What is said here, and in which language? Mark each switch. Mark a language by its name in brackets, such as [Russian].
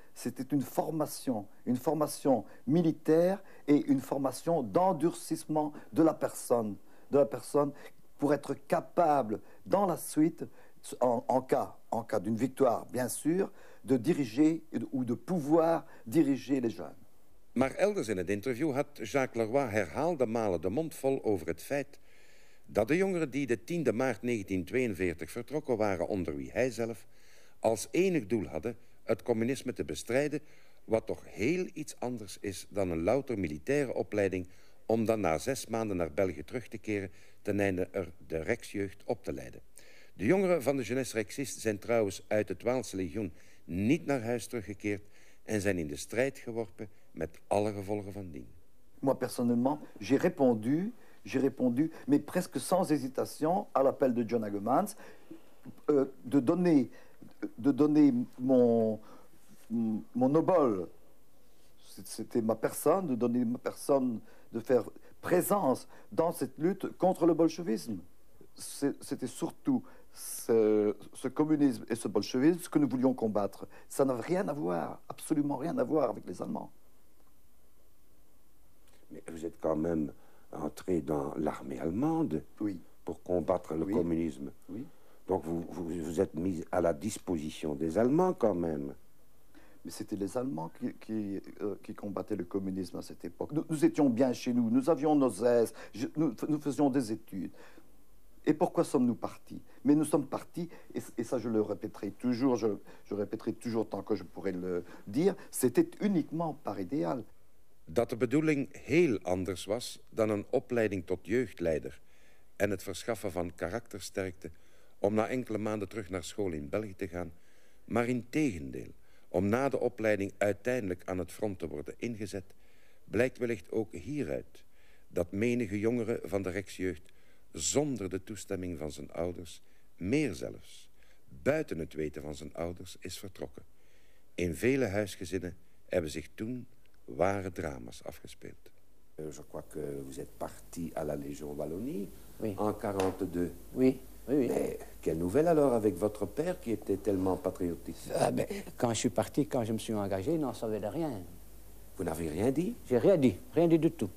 [French] C'était une formation militaire et une formation d'endurcissement de la personne pour être capable, dans la suite, en cas d'une victoire, bien sûr, de diriger ou de pouvoir diriger les jeunes. [Dutch] Maar elders in het interview had Jacques Leroy herhaalde malen de mond vol over het feit dat de jongeren die de 10 maart 1942 vertrokken waren onder wie hij zelf, als enig doel hadden het communisme te bestrijden, wat toch heel iets anders is dan een louter militaire opleiding om dan na 6 maanden naar België terug te keren ten einde er de Rijksjeugd op te leiden. De jongeren van de Jeunesse Rexiste zijn trouwens uit het Waalse legioen niet naar huis teruggekeerd, en zijn in de strijd geworpen met alle gevolgen van dien. [French] Moi personnellement, j'ai répondu, mais presque sans hésitation à l'appel de John Hagemans de donner mon obole. C'était ma personne, de donner ma personne, de faire présence dans cette lutte contre le bolchevisme. C'était surtout ce communisme et ce bolchevisme que nous voulions combattre. Ça n'a rien à voir, absolument rien à voir avec les Allemands. Mais vous êtes quand même entré dans l'armée allemande, oui, pour combattre le, oui, communisme. Oui. Donc vous êtes mis à la disposition des Allemands quand même. Mais c'était les Allemands qui combattaient le communisme à cette époque. Nous étions bien chez nous, nous avions nos aises, nous faisions des études. Et pourquoi sommes-nous partis? Mais nous sommes partis, et ça je le répéterai toujours, je répéterai toujours tant que je pourrai le dire, c'était uniquement par idéal. [Dutch] Dat de bedoeling heel anders was dan een opleiding tot jeugdleider en het verschaffen van karaktersterkte om na enkele maanden terug naar school in België te gaan, maar in tegendeel, om na de opleiding uiteindelijk aan het front te worden ingezet, blijkt wellicht ook hieruit dat menige jongeren van de Rijksjeugd zonder de toestemming van zijn ouders, meer zelfs, buiten het weten van zijn ouders, is vertrokken. In vele huisgezinnen hebben zich toen ware drama's afgespeeld. [French] Je crois que vous êtes parti à la Légion Wallonie, oui, en 42. Oui, oui, oui. Mais quelle nouvelle alors avec votre père qui était tellement patriotique? Quand je suis parti, quand je me suis engagé, il n'en savait de rien. Vous n'avez rien dit? J'ai rien dit, rien dit du tout.